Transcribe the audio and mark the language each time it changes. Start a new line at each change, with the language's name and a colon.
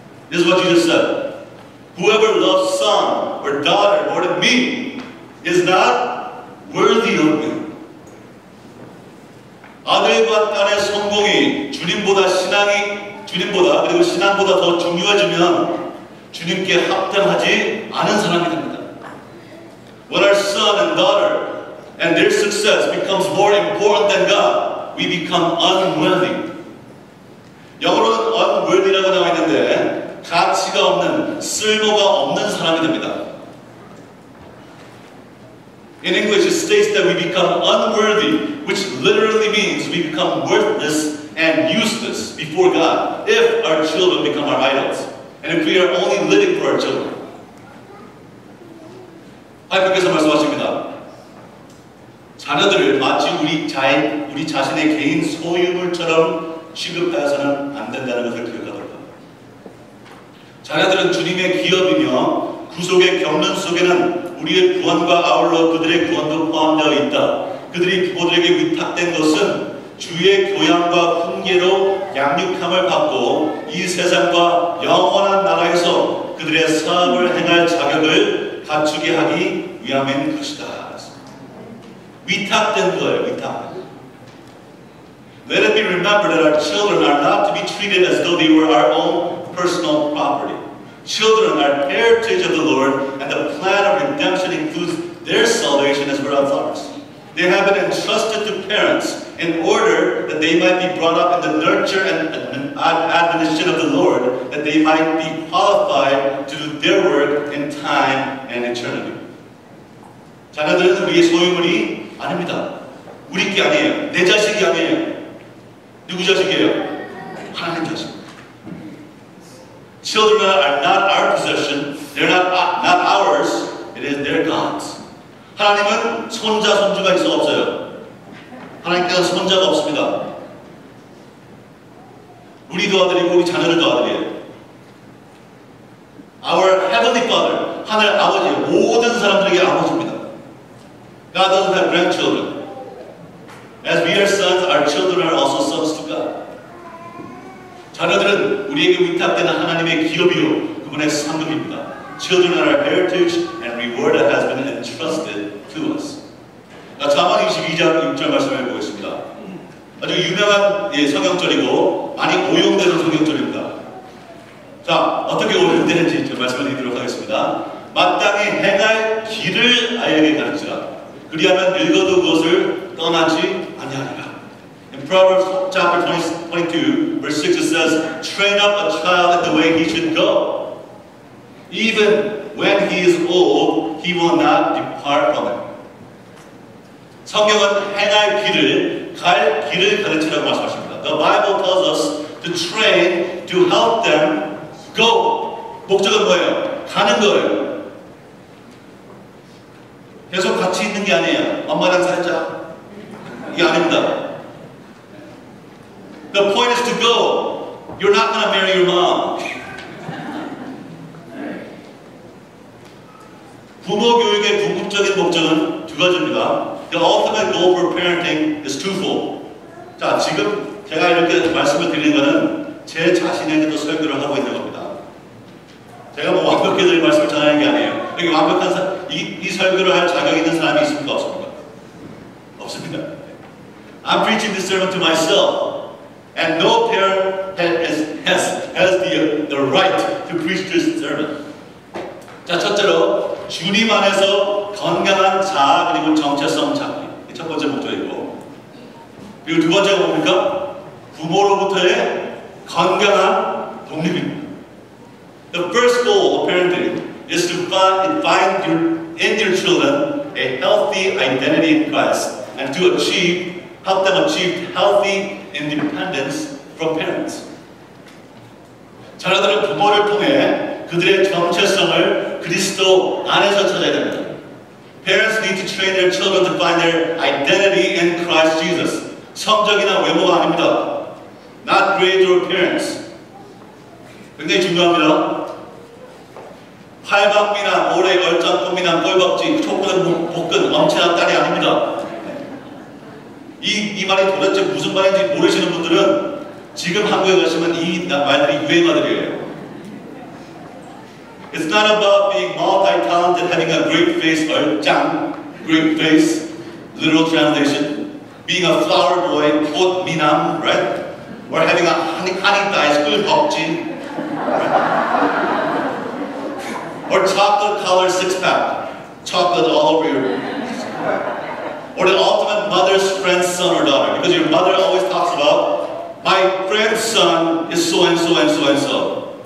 English: This is what Jesus said. Whoever loves son or daughter more than me is not worthy of me.
Korean: 아들과 딸의 성공이 주님보다 신앙이 주님보다 그리고 신앙보다 더 중요해지면 주님께 합당하지 않은 사람이 됩니다.
English: When our son and daughter and their success becomes more important than God, we become unworthy.
Korean: 영어로는 unworthy라고 나와 있는데 가치가 없는, 쓸모가 없는 사람이 됩니다.
English: In English, it states that we become unworthy, which literally means we become worthless and useless before God if our children become our idols, and if we are only living for our children.
Korean: 하나님께서 말씀하십니다. 자녀들을 마치 우리 자신의 개인 소유물처럼 취급해서는 안 된다는 것을 기억하도록 합니다. 자녀들은 주님의 기업이며 구속의 경륜 속에는 우리의 구원과 아울러 그들의 구원도 포함되어 있다. 그들이 부모들에게 위탁된 것은 주의 교양과 훈계로 양육함을 받고 이 세상과 영원한 나라에서 그들의 사업을 행할 자격을 갖추게 하기 위함인 것이다. 위탁된 거예요, 위탁.
English: Let it be remembered that our children are not to be treated as though they were our own personal property. Children are heritage of the Lord, and the plan of redemption includes their salvation as well as ours. They have been entrusted to parents in order that they might be brought up in the nurture and admonition of the Lord, that they might be qualified to do their work in time and eternity.
Korean: 자녀들은 우리의 소유물이 아닙니다. 우리 게 아니에요. 내 자식이 아니에요. 누구 자식이에요? 하나님 자식.
English: Children are not our possession. They're not ours. It is their God's.
Korean: 하나님은 손자, 손주가 있어 없어요. 하나님께는 손자가 없습니다. 우리도 아들이고 우리 자녀들도 아들이에요.
English: Our Heavenly Father,
Korean: 하늘 아버지, 모든 사람들에게 아버지입니다.
English: God doesn't have grandchildren. As we are sons, our children are also sons to God.
Korean: 자녀들은 우리에게 위탁된 하나님의 기업이요 그분의 상급입니다.
English: Children are our heritage and reward that has been entrusted to us.
Korean: 자, 잠언 22장 6절 말씀해 보겠습니다. 아주 유명한 성경절이고 많이 오용되는 성경절입니다. 자, 어떻게 오용되는지 좀 말씀을 드리도록 하겠습니다. 마땅히 행할 길을 아이에게 가르치라. 그리하면 늙어도 그것을 떠나지 아니하리라.
English: In Proverbs chapter 22, verse 6 it says, Train up a child in the way he should go. Even when he is old, he will not depart from it.
Korean: 성경은 행할 길을, 갈 길을 가르치라고 말씀하십니다.
English: The Bible tells us to train to help them go.
Korean: 목적은 뭐예요? 가는 거예요. 계속 같이 있는 게 아니에요. 엄마랑 살자. 이게 아닙니다.
English: The point is to go. You're not going to marry your mom.
Korean: 부모 교육의 궁극적인 목적은 두 가지입니다.
English: The ultimate goal for parenting is twofold.
Korean: 자, 지금 제가 이렇게 말씀을 드리는 것은 제 자신에게도 설교를 하고 있는 겁니다. 제가 뭐 완벽히 드릴 말씀을 전하는 게 아니에요. 여기 완벽한 이 설교를 할 자격 있는 사람이 있습니까? 없습니까? 없습니다.
English: I'm preaching this sermon to myself. And no parent has the right to preach this sermon.
Korean: 자, 첫째로 주님 안에서 건강한 자아 그리고 정체성 찾기. 첫 번째 목적이고. 그리고 두 번째가 뭡니까? 부모로부터의 건강한 독립입니다.
English: The first goal of parenting is to find in your children a healthy identity in Christ and to help them achieve healthy independence from parents.
Korean: 자녀들은 부모를 통해 그들의 정체성을 그리스도 안에서 찾아야 됩니다.
English: Parents need to train their children to find their identity in Christ Jesus.
Korean: 성적이나 외모가 아닙니다.
English: Not grades or appearance.
Korean: 굉장히 중요합니다. 팔방미나 모래 얼짱구미나 꼴박지, 촛불은 복근, 엄청난 딸이 아닙니다. 이 말이 도대체 무슨 말인지 모르시는 분들은 지금 한국에 가시면 이 말들이 유행어들이에요.
English: It's not about being multi-talented, having a great face, 얼짱, great face, literal translation, being a flower boy, 꽃 미남, right? Or having a honey thighs, 꿀벅지, right? Or chocolate-colored six-pack, chocolate all over your Or the ultimate mother's friend's son or daughter, because your mother always talks about, my friend's son is so-and-so-and-so-and-so.